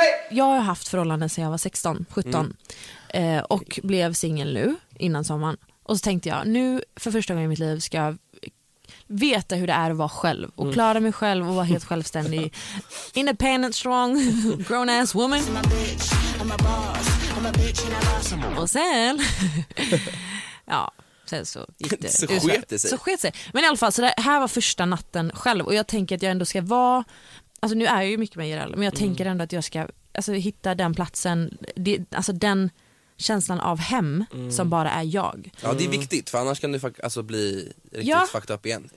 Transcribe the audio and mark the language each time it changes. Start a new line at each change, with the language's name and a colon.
Swedish: Jag har haft förhållanden sedan jag var 16-17. Och blev singel nu innan sommaren. Och så tänkte jag, nu för första gången i mitt liv ska jag veta hur det är att vara själv och klara mig själv och vara helt självständig. Independent, strong, grown ass woman.
English: I'm a boss, I'm a bitch and I'm awesome.
Swedish: Och sen ja, sen så gick det. Så skete sig. Så skete sig. Men i alla fall, så det här var första natten själv. Och jag tänker att jag ändå ska vara, alltså nu är jag ju mycket med Jireel, men jag tänker ändå att jag ska, alltså, hitta den platsen, det, alltså den känslan av hem som bara är jag. Ja, det är viktigt, för annars kan du alltså bli riktigt fucked up igen.